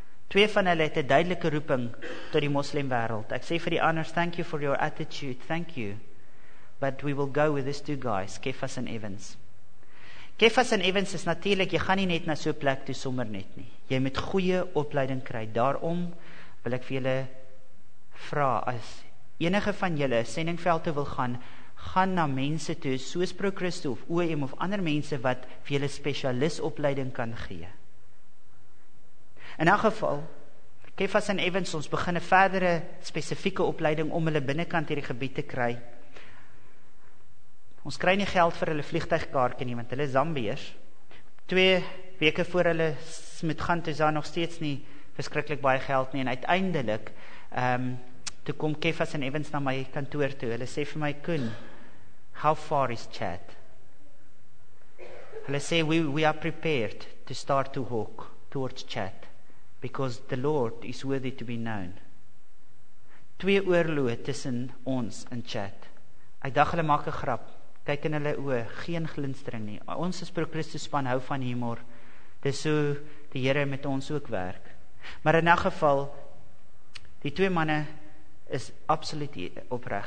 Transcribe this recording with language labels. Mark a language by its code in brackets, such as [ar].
[af] 2 van hulle het 'n duidelike roeping tot die moslimwêreld. Ek sê vir die anders, [en] thank you for your attitude, thank you. But we will go with these 2 guys, Kephas and Evans. [af] Kephas and Evans is natuurlik, jy gaan nie net na so 'n plek toe sommer net nie. Jy moet goeie opleiding kry. Daarom wil ek vir julle vra, as enige van julle sendingveld toe wil gaan, gaan na mense toe, soos Pro Christo of OEM of ander mense wat vir julle spesialis opleiding kan gee. In elk geval, Kephas en Evans, ons begin 'n verdere spesifieke opleiding om hulle binnenkant hierdie gebied te kry. Ons kry nie geld vir hulle vliegtuigkaartjie nie, want hulle is Zambiërs. 2 weke voor hulle moet gaan, toe is daar nog steeds nie verskriklik baie geld nie. En uiteindelik, toe kom Kephas en Evans na my kantoor toe. Hulle sê vir my, Koen, [en] how far is Chad? [af] Hulle sê, [en] we are prepared to start to walk towards Chad, because the Lord is worthy to be known. [af] 2 oorloë tussen ons in chat. Ek dacht hulle maak 'n grap. Kyk in hulle oë, geen glinstering nie. Ons is Pro Christus span, hou van humor. Dis so die Here met ons ook werk. Maar in elk geval, die 2 manne is absoluut opreg.